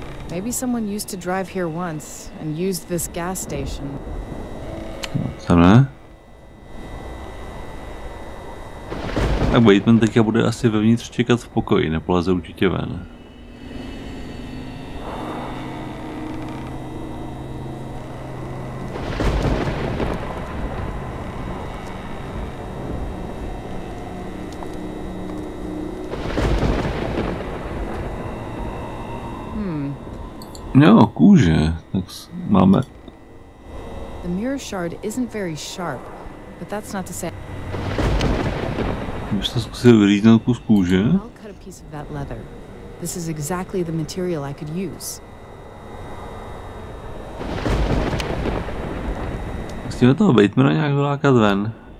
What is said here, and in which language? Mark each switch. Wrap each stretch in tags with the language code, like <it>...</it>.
<en>Maybe someone used to drive here once and used this gas station.</en> <cs>Co ne? Tak Bateman teď bude asi vevnitř čekat v pokoji, nepoleze určitě ven. Jo, kůže, tak máme.</cs> <en>The mirror shard isn't very sharp, but that's not to say.</en> <cs>Bych to zkusil vyříznout kus kůže.</cs> <en>I'll cut a piece of that leather. This is exactly the material I could use.</en> <cs>Musíme toho Batemana nějak vylákat ven.</cs>